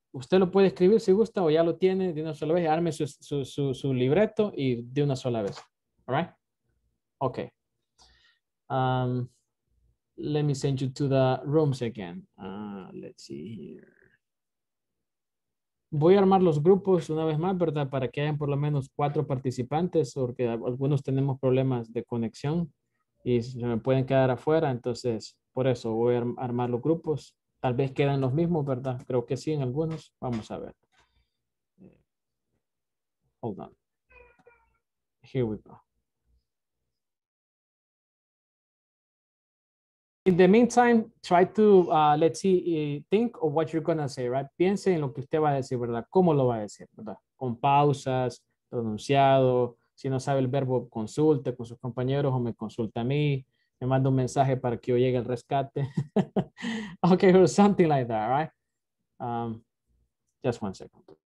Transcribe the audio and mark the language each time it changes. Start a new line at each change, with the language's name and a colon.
Spanish: Usted lo puede escribir si gusta o ya lo tiene de una sola vez. Arme su libreto y de una sola vez.
English: All right? Okay. Let me send you to the rooms again. Let's see here.
Spanish: Voy a armar los grupos una vez más, ¿verdad? Para que hayan por lo menos 4 participantes, porque algunos tenemos problemas de conexión y se me pueden quedar afuera. Entonces, por eso voy a armar los grupos. Tal vez quedan los mismos, ¿verdad? Creo que sí, en algunos. Vamos a ver.
English: Hold on. Here we go. In the meantime, try to, let's see, think of what you're going to say, right?
Spanish: Piense en lo que usted va a decir, ¿verdad? ¿Cómo lo va a decir, verdad? Con pausas, pronunciado. Si no sabe el verbo, consulte con sus compañeros o me consulta a mí. Me manda un mensaje para que yo llegue al rescate.
English: Okay, or something like that, right? Just one second.